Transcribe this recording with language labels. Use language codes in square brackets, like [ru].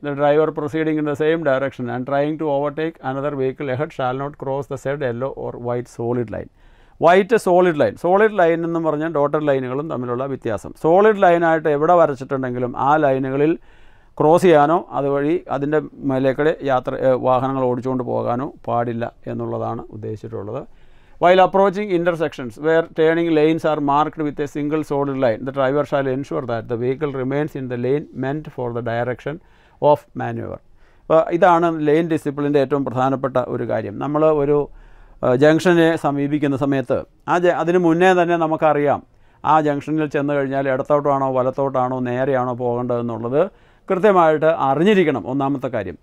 [en] The driver proceeding in the same direction and trying to overtake another vehicle ahead shall not cross the said yellow or white solid line. [ml] White solid line, solid line എന്ന് പറഞ്ഞാൽ dotted ലൈനുകളും തമ്മിലുള്ള വ്യത്യാസം. Solid ലൈനായിട്ട് എവിടെ വരച്ചിട്ടുണ്ടെങ്കിലും ആ ലൈനുകളിൽ cross ചെയ്യാനോ അതുവഴി അതിൻ്റെ മേലേക്കടെ യാത്ര വാഹനങ്ങൾ ഓടിച്ചുകൊണ്ട് പോകാനോ പാടില്ല എന്നുള്ളതാണ് ഉദ്ദേശിച്ചിട്ടുള്ളത്. [en] While approaching intersections where turning lanes are marked with a single solid line, the driver shall ensure that the vehicle remains in the lane meant for the direction of maneuver. [ml] അപ്പോൾ ഇതാണ് ലെയിൻ ഡിസിപ്ലിൻ്റെ ഏറ്റവും പ്രധാനപ്പെട്ട ഒരു കാര്യം. നമ്മൾ ഒരു ജംഗ്ഷനെ സമീപിക്കുന്ന സമയത്ത് അതിന് മുന്നേ തന്നെ നമുക്കറിയാം ആ ജംഗ്ഷനിൽ ചെന്ന് കഴിഞ്ഞാൽ ഇടത്തോട്ടാണോ വലത്തോട്ടാണോ നേരെയാണോ പോകേണ്ടതെന്നുള്ളത് കൃത്യമായിട്ട് അറിഞ്ഞിരിക്കണം ഒന്നാമത്തെ കാര്യം.